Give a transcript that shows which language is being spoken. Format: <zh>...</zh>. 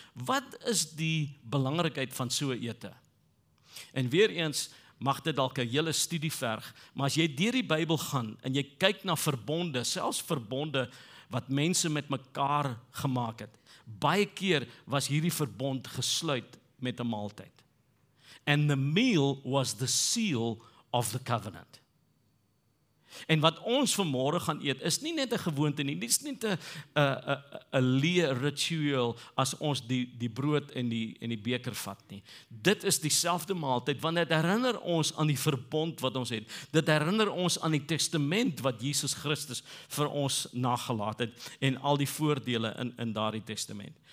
<af>Wat is die belangrikheid van so 'n ete? En weer eens, mag dit dalk 'n hele studie verg, maar as jy deur die Bybel gaan, en jy kyk na verbonde, selfs verbonde wat mense met mekaar gemaak het, baie keer was hierdie verbond gesluit met 'n maaltyd.</af> <en>And the meal was the seal of the covenant.</en> <af>En wat ons vanmôre gaan eet, is nie net 'n gewoonte nie, dis nie 'n leë ritueel as ons die brood en die beker vat nie. Dit is dieselfde maaltyd, want dit herinner ons aan die verbond wat ons het. Dit herinner ons aan die testament wat Jesus Christus vir ons nagelaat het en al die voordele in daardie testament.</af>